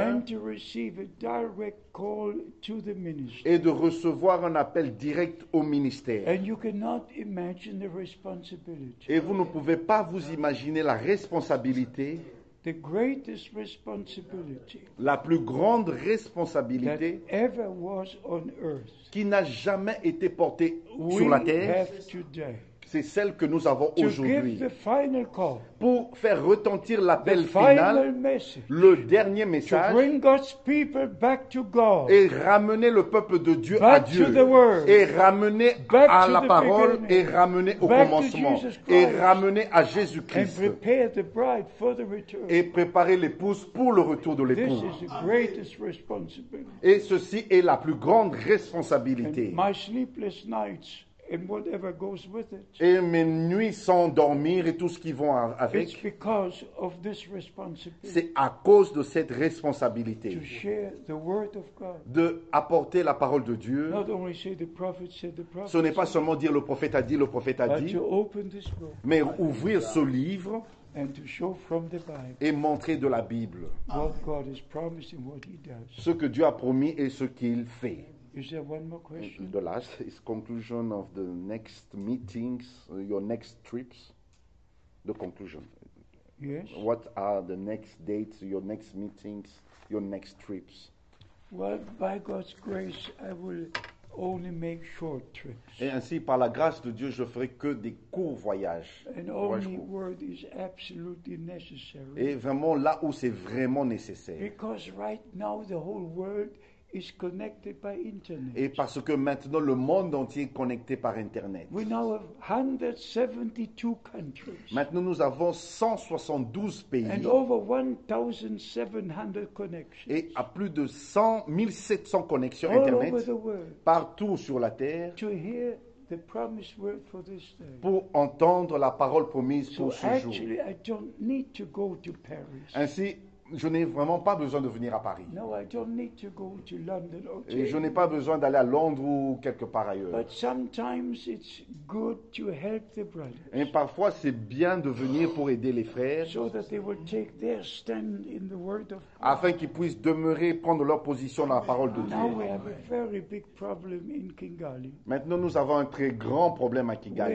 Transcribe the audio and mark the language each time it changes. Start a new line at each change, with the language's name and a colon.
English: and to receive a direct call to the ministry.
French: Et de recevoir un appel direct au ministère.
English: And you cannot imagine the responsibility.
French: Et vous ne pouvez pas vous imaginer la responsabilité.
English: The greatest responsibility,
French: la plus grande responsabilité,
English: that ever was on earth,
French: qui n'a jamais été portée sur la terre,
English: have today,
French: c'est celle que nous avons aujourd'hui.
English: To give the final call,
French: pour faire retentir l'appel
English: the final
French: final,
English: message,
French: le dernier message,
English: to bring God's people back to God,
French: et ramener le peuple de Dieu
English: back
French: à Dieu,
English: to the word,
French: et ramener
English: back
French: à
English: to
French: la
English: the
French: parole, et ramener au
English: back
French: commencement,
English: Christ,
French: et ramener à Jésus-Christ,
English: and prepare the bride for the return.
French: Et préparer l'épouse pour le retour de l'époux.
English: This is the greatest responsibility.
French: Et ceci est la plus grande responsabilité.
English: And my sleepless nights, and whatever goes with it.
French: Et mes nuits sans dormir et tout ce qui vont avec.
English: It's because of this responsibility.
French: C'est à cause de cette responsabilité.
English: To share the word of God.
French: De apporter la parole de Dieu.
English: Not only say the prophet said the prophet.
French: Ce n'est pas seulement dire le prophète a dit, le prophète a dit.
English: But to open this book.
French: Mais ouvrir ce livre.
English: And to show from the Bible.
French: Et montrer de la Bible.
English: What God is promising, what he does.
French: Ce que Dieu a promis et ce qu'il fait.
English: Is there one more question? The last is conclusion of the next meetings, your next trips. The conclusion. Yes. What are the next dates, your next meetings, your next trips? Well, by God's grace, I will only make short trips.
French: Et ainsi, par la grâce de Dieu, je ferai que des courts voyages.
English: And only word is absolutely necessary.
French: Et vraiment là où c'est vraiment nécessaire.
English: Because right now the whole world is connected by internet.
French: Et parce que maintenant le monde entier est connecté par internet.
English: We now have 172 countries.
French: Maintenant nous avons 172 pays.
English: And over 1,700 connections.
French: Et à plus de 1,700 connexions
English: all internet over the world,
French: partout sur la terre.
English: To hear the promised word for this day.
French: Pour entendre la parole promise
English: so
French: pour ce
English: actually,
French: jour.
English: I don't need to go to Paris.
French: Ainsi, je n'ai vraiment pas besoin de venir à Paris.
English: No, I don't need to go to London, okay.
French: Et je n'ai pas besoin d'aller à Londres ou quelque part ailleurs.
English: But sometimes it's good to help the brothers.
French: Et parfois, c'est bien de venir pour aider les frères.
English: So that they will take their stand in the word of God.
French: Afin qu'ils puissent demeurer, prendre leur position dans la parole de Dieu.
English: Now we have a very big problem in Kigali.
French: Maintenant, nous avons un très grand problème à Kigali.